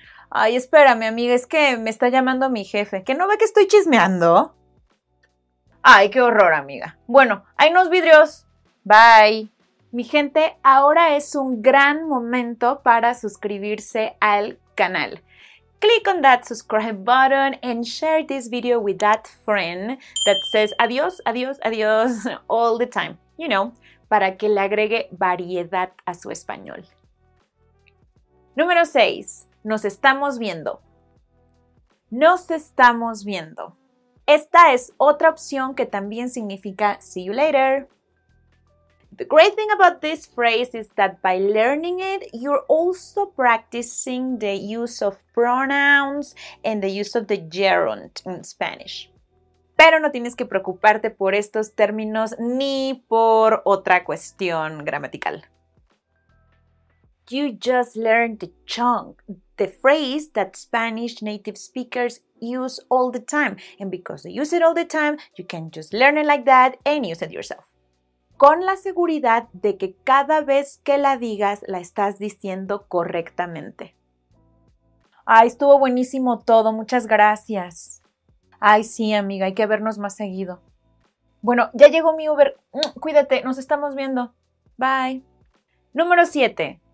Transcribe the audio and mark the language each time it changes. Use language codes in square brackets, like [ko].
[es] Ay, espérame, amiga, es que me está llamando mi jefe. ¿Que no ve que estoy chismeando? Ay, qué horror, amiga. Bueno, ahí nos vidrios. Bye. Mi gente, ahora es un gran momento para suscribirse al canal. [en] Click on that subscribe button and share this video with that friend that says [es] adiós, adiós, adiós [en] all the time. You know, [es] para que le agregue variedad a su español. Número 6. Nos estamos viendo. Nos estamos viendo. Esta es otra opción que también significa [en] see you later. The great thing about this phrase is that by learning it, you're also practicing the use of pronouns and the use of the gerund in Spanish. [es] Pero no tienes que preocuparte por estos términos ni por otra cuestión gramatical. [en] You just learned the chunk, the phrase that Spanish native speakers use all the time. And because they use it all the time, you can just learn it like that and use it yourself. [es] Con la seguridad de que cada vez que la digas, la estás diciendo correctamente. Ay, estuvo buenísimo todo, muchas gracias. Ay, sí, amiga, hay que vernos más seguido. Bueno, ya llegó mi Uber. Cuídate, nos estamos viendo. Bye. Número 7.